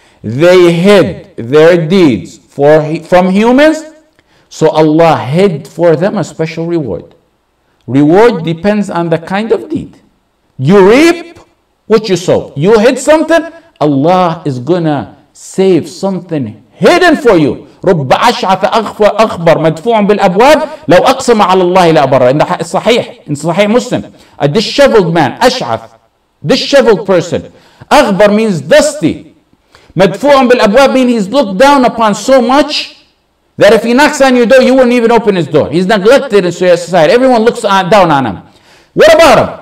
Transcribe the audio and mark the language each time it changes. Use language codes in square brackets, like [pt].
[en] They hid their deeds from humans, so Allah hid for them a special reward. Reward depends on the kind of deed. You reap what you sow. You hid something, Allah is gonna save something hidden for you. [ar] رب أشعث أخبر مدفوع بالأبواب لو أقسم على الله لا أبرر. [en] In the صحيح, in صحيح مسلم, a disheveled man, أشعث, disheveled person. أخبر means dusty. مدفوع بالأبواب means he's looked down upon so much that if he knocks on your door, you wouldn't even open his door. He's neglected in society. Everyone looks down on him. What about him?